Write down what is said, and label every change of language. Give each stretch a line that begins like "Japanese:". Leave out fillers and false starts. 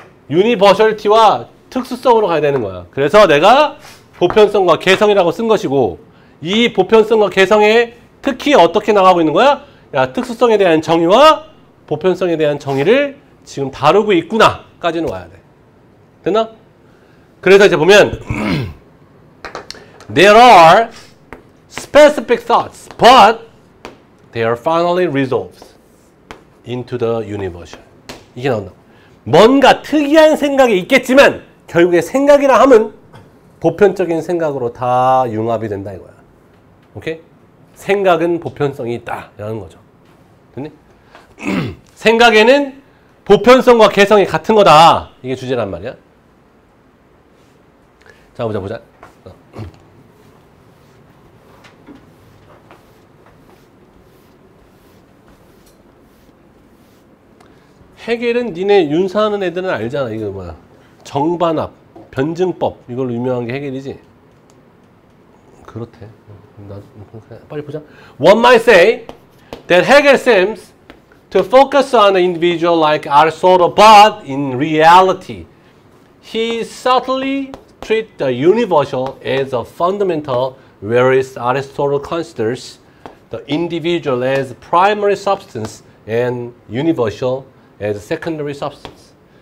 Korean: 유니버셜티와 특수성으로 가야 되는 거야. 그래서 내가 보편성과 개성이라고 쓴 것이고 이 보편성과 개성에 특히 어떻게 나가고 있는 거야? 야, 특수성에 대한 정의와 보편성에 대한 정의를 지금 다루고 있구나 까지는 와야 돼. 됐나? 그래서 이제 보면
English: There are specific thoughts, but they are finally resolved into the universal.
Korean: 이게 나온다. 뭔가 특이한 생각이 있겠지만 결국에 생각이라 함은 보편적인 생각으로 다 융합이 된다 이거야. 오케이? 생각은 보편성이 있다 라는 거죠. 됐니? 생각에는 보편성과 개성이 같은 거다. 이게 주제란 말이야. 자, 보자, 보자. 헤겔은 니네 윤사하는 애들은 알잖아. 이거 뭐야. 정반합, 변증법. 이걸로 유명한 게 헤겔이지. 그렇대. 빨리 보자.
English: One might say that Hegel seems to focus on the individual like Aristotle, but in reality, he subtly treats the universal as a fundamental, whereas Aristotle considers the individual as primary substance and universal as secondary substance.